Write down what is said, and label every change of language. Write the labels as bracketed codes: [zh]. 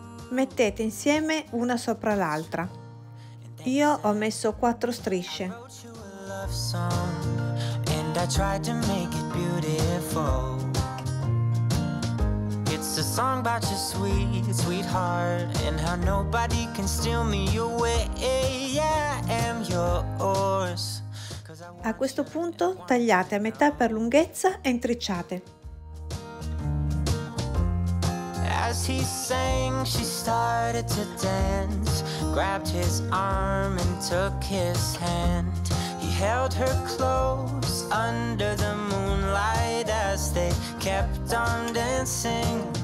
[it] Mettete insieme una sopra l'altra. Io ho messo 4 strisce. [en] And I tried to make it beautiful. It's a song about your sweet, sweetheart, and how nobody can steal me away. Yeah, I am yours. [it] A questo punto tagliate a metà per lunghezza e intrecciate. [en] As he sang, she started to dance, grabbed his arm and took his hand. Held her close under the moonlight as they kept on dancing.